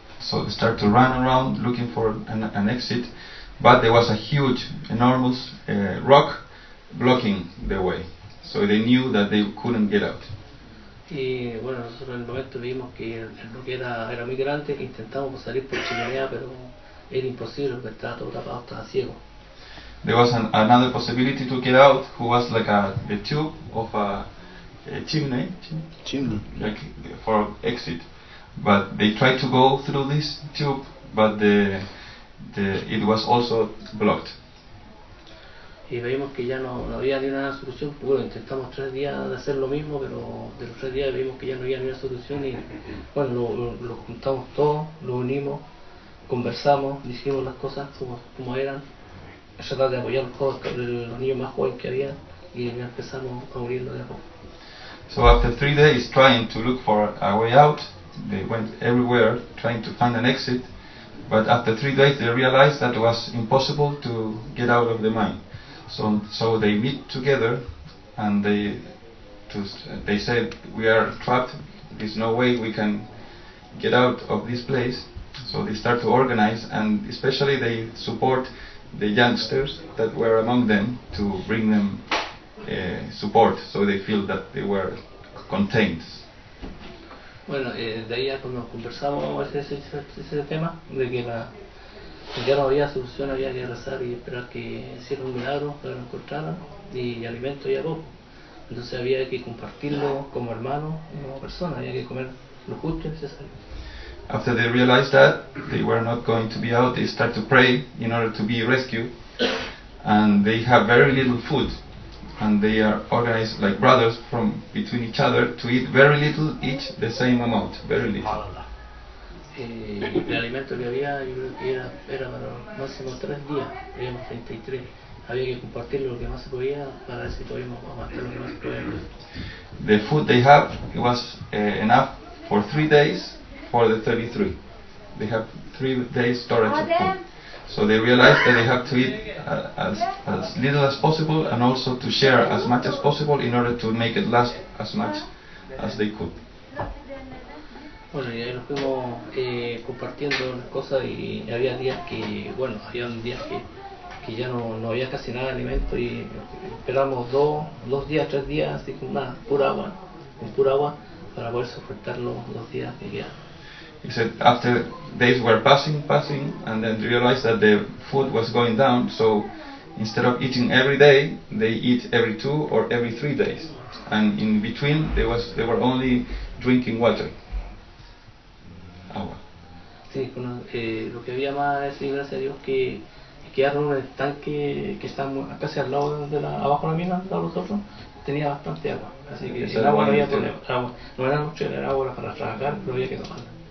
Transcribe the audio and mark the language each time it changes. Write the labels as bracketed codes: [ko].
[en] So they start to run around looking for an exit, but there was a huge, enormous rock blocking the way. So they knew that they couldn't get out. [es] Y bueno, nosotros en el momento vimos que el bloque era muy grande, intentamos salir por chimenea, pero era imposible porque estaba todo tapado, estaba ciego. [en] There was another possibility to get out, who was like a tube of a chimney, like for exit. But they tried to go through this tube, but the it was also blocked. [es] Y vimos que ya no había ni una solución. Bueno, intentamos tres días de hacer lo mismo, pero de los tres días vimos que ya no había ni una solución. Y bueno, lo juntamos todo, lo unimos, conversamos, dijimos las cosas como eran. Tratamos de apoyar los niños más jóvenes que había y empezamos a unirnos de a poco. [en] So after 3 days trying to look for a way out, they went everywhere trying to find an exit, but after 3 days they realized that it was impossible to get out of the mine. So they meet together and they said, we are trapped, there's no way we can get out of this place. So they start to organize, and especially they support the youngsters that were among them to bring them support, so they feel that they were contained. [es] Bueno, de ahí ya cuando conversamos ese tema, de que ya no había solución, había que rezar y esperar que hiciera un milagro para que lo encontraran, y alimento y arroz. Entonces había que compartirlo como hermano, como persona, había que comer lo justo y necesario. [en] After they realized that they were not going to be out, they start to pray in order to be rescued, and they have very little food. And they are organized like brothers from between each other to eat very little each, the same amount, very little. The [es] alimento que había, yo creo que era para máximo 3 días, habíamos 33. Había que compartir lo que más se podía para ver si podíamos aguantar lo que más podíamos. [en] The food they have, it was enough for 3 days for the 33. They have 3 days storage of food. So they realized that they have to eat as little as possible, and also to share as much as possible in order to make it last as much as they could. [es] Bueno, y ahí nos fuimos compartiendo cosas, y había días que, bueno, había días que ya no había casi nada de alimento, y esperamos dos días, tres días, así con nada, con pura agua, para poder soportar los días que quedan. [en] He said after days were passing, and then realized that the food was going down, so instead of eating every day, they eat every 2 or every 3 days. And in between, they were only drinking water. [es] Agua. Sí, bueno, lo que había más es, gracias a Dios, que quedaron en el tanque que está casi al lado de la, abajo de la mina, al lado de nosotros, tenía bastante agua. Así que el agua no había problema. No era mucho, era agua para trabajar, pero había que tomarla.